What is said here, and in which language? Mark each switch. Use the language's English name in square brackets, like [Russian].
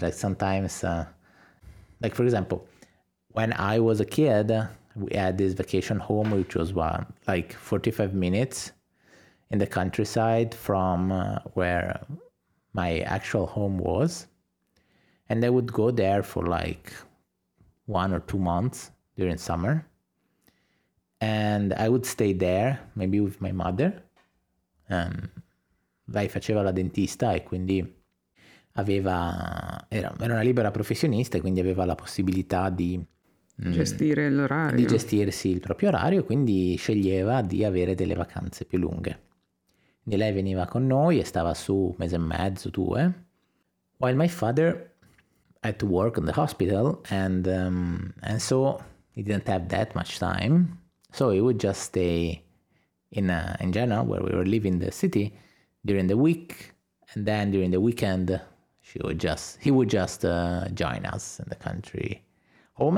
[English] Like, sometimes, like, for example, when I was a kid, we had this vacation home, which was, like, 45 minutes in the countryside from where my actual home was, and I would go there for like 1 or 2 months during summer, and I would stay there maybe with my mother. [Italian] Lei faceva la dentista e quindi aveva era una libera professionista, quindi aveva la possibilità di gestire l'orario. Di gestirsi il proprio orario, quindi sceglieva di avere delle vacanze più lunghe. E lei veniva con noi e stava su mese e mezzo, due. [English] While my father had to work in the hospital and so he didn't have that much time. So he would just stay in Genoa, where we were living in the city, during the week, and then during the weekend he would just join us in the country home.